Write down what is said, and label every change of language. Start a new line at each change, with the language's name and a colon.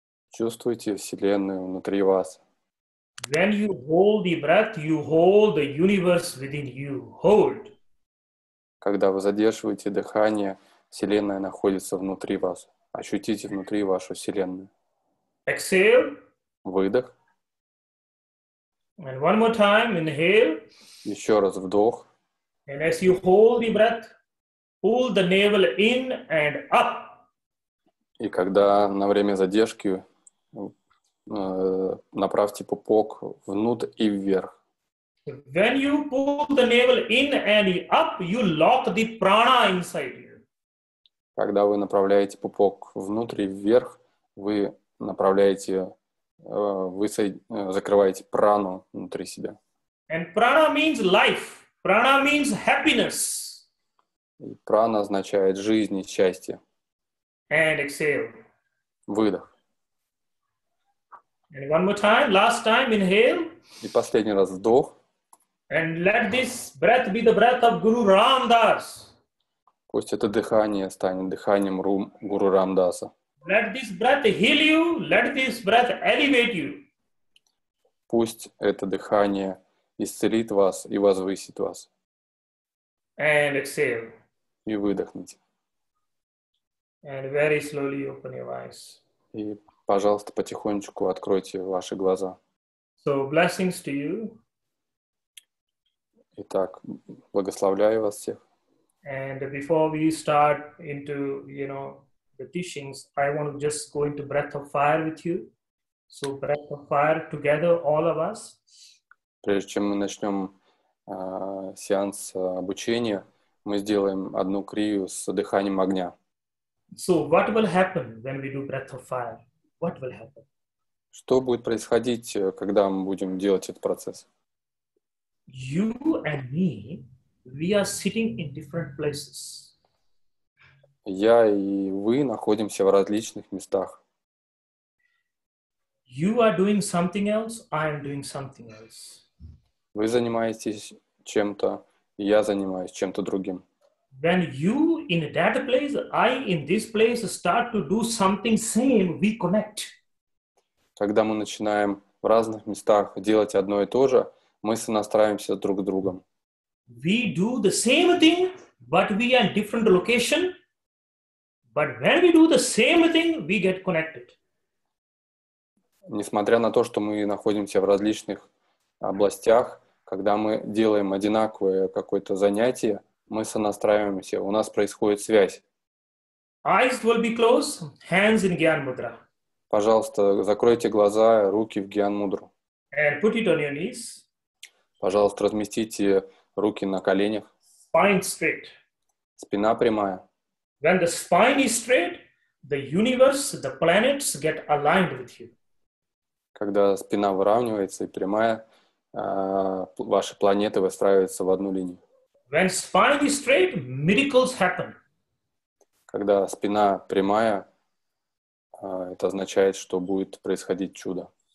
Russian: Чувствуйте Вселенную внутри вас.
English: When you hold the breath, you hold the universe within you. Hold.
Russian: Когда вы задерживаете дыхание, Вселенная находится внутри вас. Ощутите внутри вашу Вселенную.
English: Exhale.
Russian: Выдох.
English: And one more time, inhale.
Russian: Еще раз вдох.
English: And as you hold the breath, pull the navel in and up.
Russian: И когда на время задержки, направьте пупок внутрь и вверх.
English: When you pull the navel in and up, you lock the prana inside you.
Russian: Когда вы направляете пупок внутрь и вверх, вы направляете, закрываете прану внутри себя.
English: And prana means life. Prana means happiness.
Russian: И прана означает жизнь и счастье.
English: And exhale.
Russian: Выдох.
English: And one more time, last time, inhale.
Russian: И последний раз вдох.
English: And let this breath be the breath of Guru Ram Das.
Russian: Пусть это дыхание станет дыханием Гуру Рамдаса.
English: Let this breath heal you. Let this breath elevate you.
Russian: Пусть это дыхание исцелит вас и возвысит вас.
English: And exhale.
Russian: И выдохните.
English: And very slowly open your eyes.
Russian: И, пожалуйста, потихонечку откройте ваши глаза.
English: So, blessings to you.
Russian: Итак, благословляю вас всех.
English: And before we start into, you know, the teachings, I want to just go into breath of fire with you. So breath of fire together, all of us.
Russian: Прежде чем мы начнем сеанс обучения, мы сделаем одну крию с дыханием огня.
English: So what will happen when we do breath of fire? What will happen?
Russian: Что будет происходить, когда мы будем делать этот процесс?
English: You and me, we are sitting in different places.
Russian: Я и вы находимся в различных местах.
English: You are doing something else, I am doing something else.
Russian: Вы занимаетесь чем-то, я занимаюсь чем-то другим.
English: When you in that place, I in this place start to do something same, we connect.
Russian: Когда мы начинаем в разных местах делать одно и то же, мы сонастраиваемся друг с другом.
English: We do the same thing, but we are in different location. But when we do the same thing, we get connected.
Russian: Несмотря на то, что мы находимся в различных областях, когда мы делаем одинаковое какое-то занятие, мы сонастраиваемся, у нас происходит связь.
English: Eyes will be closed, hands in Gyan Mudra.
Russian: Пожалуйста, закройте глаза, руки в Гьян Мудру.
English: And put it on your knees.
Russian: Пожалуйста, разместите руки на коленях.
English: Spine straight.
Russian: Спина прямая.
English: When the spine is straight, the universe, the planets get aligned with you.
Russian: Когда спина выравнивается и прямая, ваши планеты выстраиваются в одну линию.
English: When spine is straight, miracles happen.
Russian: Когда спина прямая, это означает, что будет происходить чудо.